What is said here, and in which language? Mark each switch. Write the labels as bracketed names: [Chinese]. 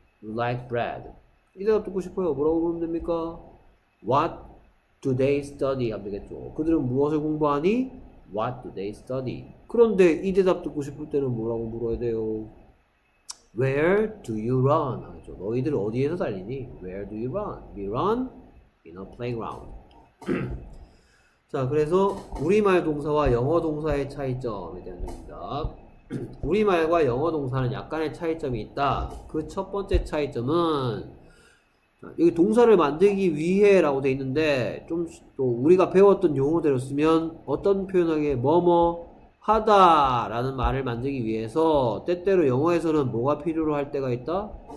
[English] You like bread. [Korean] 이 대답 듣고 싶어요. 뭐라고 물으면 됩니까? [English] What do they study? [Korean] 하면 되겠죠. 그들은 무엇을 공부하니? [English] What do they study? [Korean] 그런데 이 대답 듣고 싶을 때는 뭐라고 물어야 돼요? [English] Where do you run? [Korean] 하겠죠. 너희들 어디에서 달리니? [English] Where do you run? We run in a playground. [Korean] 자, 그래서 우리말 동사와 영어 동사의 차이점에 대한 얘기입니다. 우리말과 영어 동사는 약간의 차이점이 있다. 그첫 번째 차이점은 여기 동사를 만들기 위해라고 돼 있는데 좀또 우리가 배웠던 용어대로 쓰면 어떤 표현하기에 뭐뭐 하다라는 말을 만들기 위해서 때때로 영어에서는 뭐가 필요로 할 때가 있다?